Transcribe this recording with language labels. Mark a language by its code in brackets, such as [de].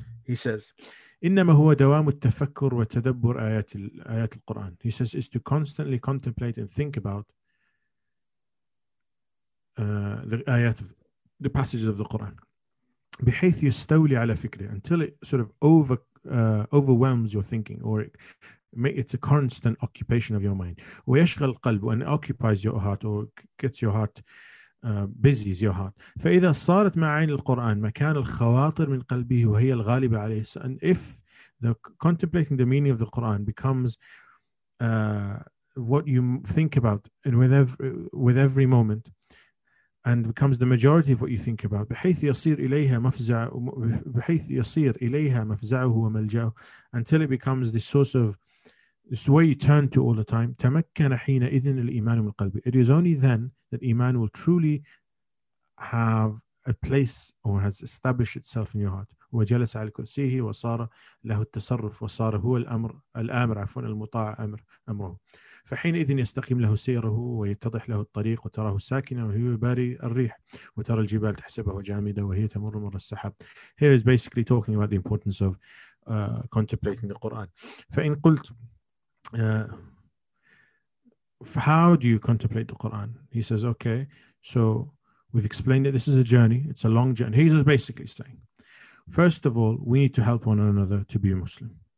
[en] He says, [ar] إِنَّمَا هُوَ دَوَامُ التَّفَكُّرُ وَتَدَبُّرُ آيَاتِ الْقُرْآنِ. [en] He says, is to constantly contemplate and think about the ayat, the passages of the Quran. [ar] بحيث يستولي على فكره, [en] until it sort of overwhelms your thinking, or it's a constant occupation of your mind. [ar] ويشغل القلب, [en] and it occupies your heart, or gets your heart busies your heart. [ar] فإذا صارت مع عين القرآن مكان الخواطر من قلبه وهي الغالبة عليه, [en] and if the contemplating the meaning of the Quran becomes what you think about in with every moment, and becomes the majority of what you think about, [ar] بحيث يصير إليها مفزع, بحيث يصير إليها مفزعه وملجأه, [en] until it becomes the source of this way you turn to all the time. [ar] تمكن حين إذن الإيمان من القلب. [en] It is only then that iman will truly have a place or has established itself in your heart. [ar] وجلس على كرسيه وصار له التصرف وصار هو الأمر الآمر عفوا المطاع أمر أمره. فحينئذ يستقيم له سيره ويتضح له الطريق وتراه ساكنا وهو يباري الريح وترى الجبال تحسبه جامدة وهي تمر مر السحاب. [en] Here is basically talking about the importance of contemplating the Quran. [ar] فإن قلت [en] how do you contemplate the Quran? He says, okay, so we've explained that this is a journey. It's a long journey. He's basically saying, first of all, we need to help one another to be a Muslim.